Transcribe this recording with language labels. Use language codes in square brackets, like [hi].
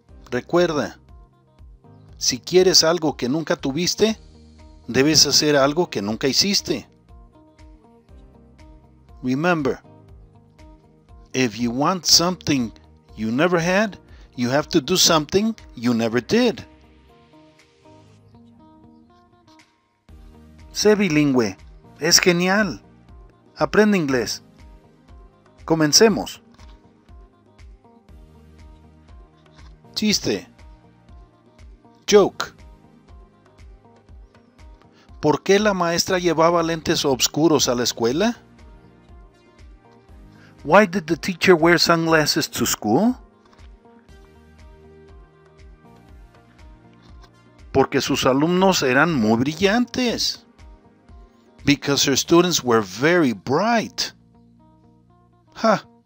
[es] Recuerda, si quieres algo que nunca tuviste, debes hacer algo que nunca hiciste. [en] Remember, if you want something you never had, you have to do something you never did. [es] Sé bilingüe. Es genial. Aprende inglés. Comencemos. Chiste. [en] Joke. [es] ¿Por qué la maestra llevaba lentes oscuros a la escuela? [en] Why did the teacher wear sunglasses to school? [es] Porque sus alumnos eran muy brillantes. [en] Because her students were very bright. Ha.